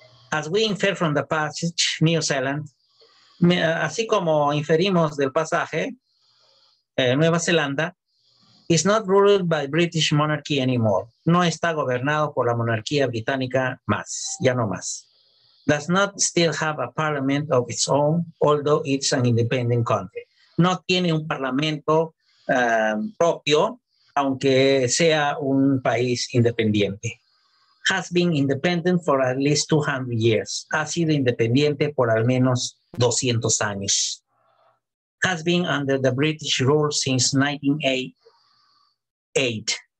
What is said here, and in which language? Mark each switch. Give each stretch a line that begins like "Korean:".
English: As we infer from the passage, New Zealand,
Spanish: así como inferimos del pasaje, Nueva Zelanda,
English: is not ruled by British monarchy anymore.
Spanish: No está gobernado por la monarquía británica más, ya no más.
English: Does not still have a parliament of its own, although it's an independent country.
Spanish: No tiene un parlamento propio, aunque sea un país independiente.
English: Has been independent for at least 200 years.
Spanish: Ha sido independiente por al menos 200 años.
English: Has been under the British rule since 1908.